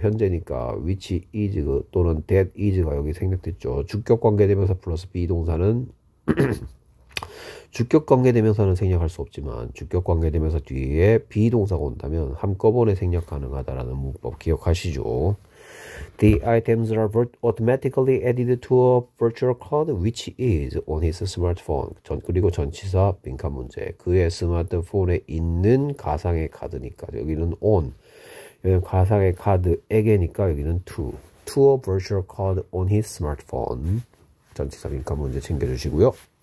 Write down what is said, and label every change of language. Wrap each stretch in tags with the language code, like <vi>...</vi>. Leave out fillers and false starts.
<ko>현재니까 which is 또는 that is 가 여기 생략됐죠. 주격 관계 대명사 플러스 be 동사는 주격 관계 대명사는 생략할 수 없지만 주격 관계 대명사 뒤에 be 동사가 온다면 한꺼번에 생략 가능하다라는 문법 기억하시죠.</ko> <en>The items are automatically added to a virtual card which is on his smartphone.</en> <ko>그리고 전치사 빈칸 문제. 그의 스마트폰에 있는 가상의 카드니까. 여기는 on. 여기는 가상의 카드에게니까 여기는 to a virtual card on his smartphone. 전치사 빈칸 문제 챙겨주시고요.</ko>